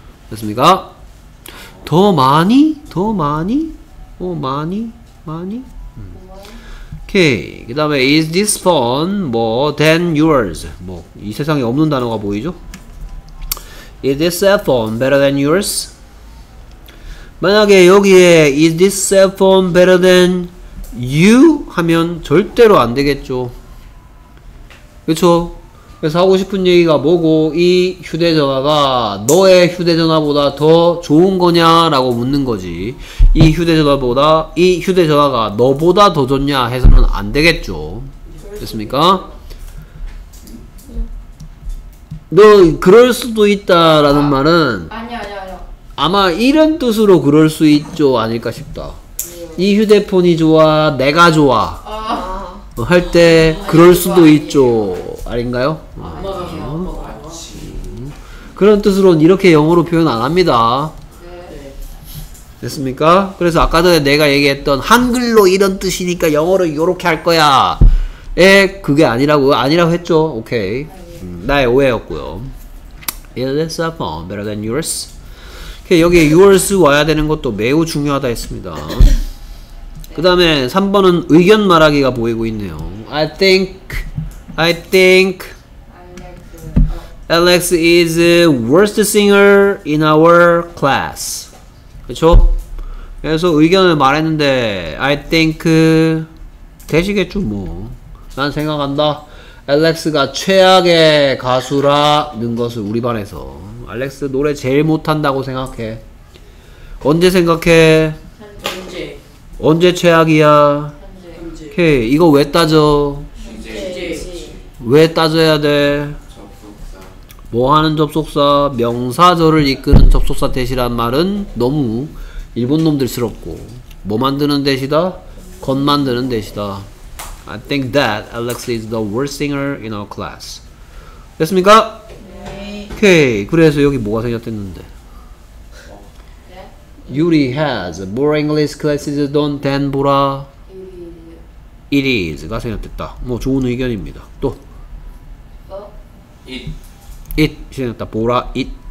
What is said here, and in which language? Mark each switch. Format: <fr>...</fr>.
<ko>됐습니까? 더 많이? 더 많이? 어, 많이? 많이? 오케이. 그 다음에</ko> <en>Is this phone more than yours?</en> <ko>뭐 이 세상에 없는 단어가 보이죠?</ko> <en>Is this cell phone better than yours?</en> <ko>만약에 여기에</ko> <en>Is this cell phone better than you?</en> <ko>하면 절대로 안 되겠죠. 그쵸? 그래서 하고 싶은 얘기가 뭐고 이 휴대전화가 너의 휴대전화보다 더 좋은 거냐 라고 묻는 거지 이 휴대전화보다 이 휴대전화가 너보다 더 좋냐 해서는 안 되겠죠. 됐습니까? 너 그럴 수도 있다라는 아, 말은 아마 이런 뜻으로 그럴 수 있죠 아닐까 싶다. 이 휴대폰이 좋아 내가 좋아 할 때 그럴 수도 있죠 아닌가요? 그런 뜻으로는 이렇게 영어로 표현 안 합니다. 됐습니까? 그래서 아까 전에 내가 얘기했던 한글로 이런 뜻이니까 영어로 이렇게 할 거야 에 그게 아니라고 아니라고 했죠. 오케이 나의 오해였고요.</ko> <en>Is this a phone better than yours?</en> <ko>여기에 yours 와야 되는 것도 매우 중요하다 했습니다. 그 다음에 3번은 의견 말하기가 보이고 있네요.</ko> <en>I think Alex is the worst singer in our class.</en> <ko>그쵸? 그래서 의견을 말했는데</ko> <en>I think</en> <ko>되시겠죠 뭐. 난 생각한다 Alex가 최악의 가수라는 것을 우리 반에서 Alex 노래 제일 못한다고 생각해. 언제 생각해? 언제 최악이야? 현재. 오케이. 이거 왜 따져? 현재. 왜 따져야 돼? 접속사. 뭐 하는 접속사? 명사절을 이끄는 접속사 대시란 말은 너무 일본 놈들스럽고 뭐 만드는 대시다? 겉 만드는 대시다.</ko> <en>I think that Alex is the worst singer in our class.</en> <ko>됐습니까? 네. 오케이. 그래서 여기 뭐가 생겼댔는데?</ko> <en>Yuri has more English classes than Bora. It is. It is.</en> <ko>가 생각됐다. 뭐 좋은 의견입니다. 또. 어?</ko> <en>It. It.</en> <ko>생각됐다.</ko> <en>Bora it.</en>